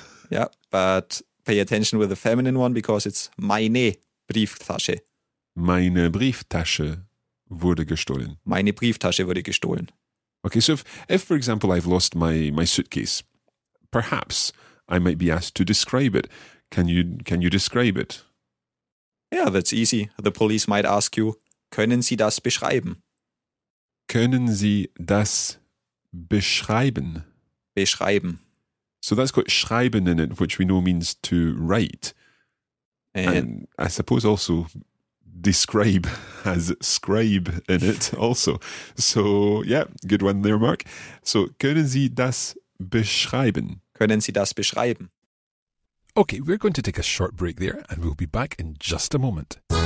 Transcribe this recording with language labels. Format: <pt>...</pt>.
<en>Yeah, but pay attention with the feminine one because it's</en> <de>meine Brieftasche. Meine Brieftasche wurde gestohlen. Meine Brieftasche wurde gestohlen.</de> <en>Okay, so if for example, I've lost my suitcase, perhaps I might be asked to describe it. Can you describe it? Yeah, that's easy. The police might ask you,</en> <de>können Sie das beschreiben? Können Sie das beschreiben? Beschreiben.</de> <en>So that's got schreiben in it, which we know means to write. And I suppose also describe has scribe in it also. So yeah, good one there, Mark.</en> <de>So können Sie das beschreiben? Können Sie das beschreiben?</de> <en>Okay, we're going to take a short break there and we'll be back in just a moment.</en>